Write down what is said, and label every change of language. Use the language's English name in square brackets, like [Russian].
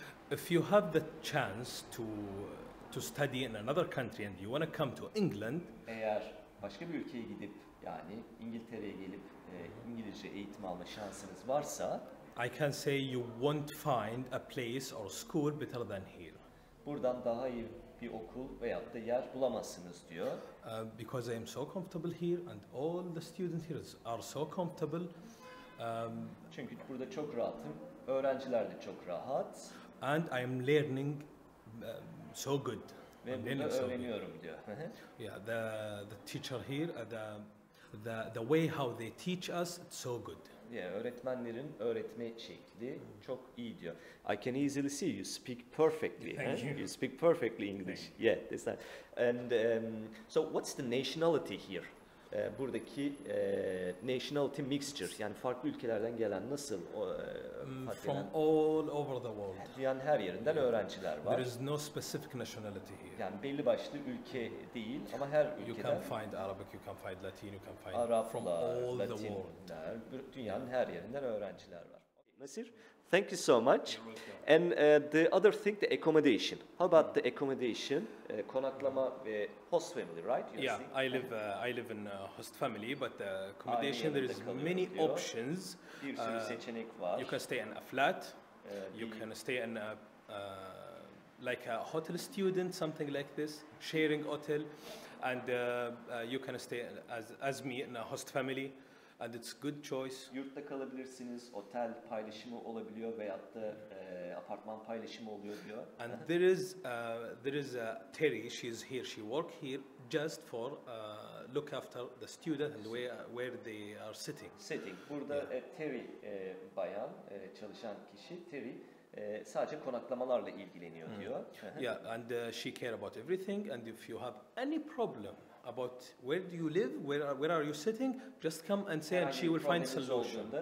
[English] If you have the chance to study in another country and you want to come to England... [Turkish] Eğer başka bir ülkeye gidip, yani İngiltere'ye gelip İngilizce eğitim alma şansınız varsa... [English] I can say you won't find a place or school better than here. [Turkish] Buradan daha iyi bir okul veyahut da yer bulamazsınız diyor. [English] Because I am so comfortable here and all the students here are so comfortable. [Turkish] Çünkü burada çok rahatım. Öğrenciler de çok rahat. [English] And I am learning so good. [Turkish] Ve [English] I'm [Turkish] burada öğreniyorum [English] so [Turkish] diyor. [English] Yeah, the teacher here, the way how they teach us, it's so good. [Turkish] Yeah, öğretmenlerin öğretme şekli çok iyi diyor. [English] I can easily see you speak perfectly. Thank you. You speak perfectly English. Yeah, that's right. And so what's the nationality here? [Turkish] buradaki [English] nationality mixture, [Turkish] yani farklı ülkelerden gelen nasıl [English] from all over the world. [Turkish] Dünyanın her yerinden öğrenciler var. [English] There is no specific nationality here. [Turkish] Yani belli başlı ülke değil ama her ülkeden. [English] You can find Arabic, you can find Latin, you can find [Turkish] Araplar, [English] from all the world. [Turkish] Dünyanın her yerinden öğrenciler var. Nasir, [English] thank you so much. And the other thing, the accommodation. How about the accommodation? [Turkish] Konaklama ve [English] host family, right? You're yeah, saying? I live in a host family, but the accommodation, there is many [Turkish] diyor. [English] Options. [Turkish] Bir sürü seçenek var. [English] You can stay in a flat. You can stay in a like a hotel student, something like this, sharing hotel, and you can stay as me in a host family. And it's good choice. [Turkish] Yurtta kalabilirsiniz, otel paylaşımı olabiliyor veyahut da apartman paylaşımı oluyor diyor. [English] And there is Terry, she is here, she work here just for look after the student and where they are sitting. Sitting. [Turkish] Burada [English] yeah. [Turkish] Terry bayan, çalışan kişi Terry sadece konaklamalarla ilgileniyor diyor. [English] Yeah, and she care about everything and if you have any problem about where do you live, where are you sitting, just come and say and she will find a solution.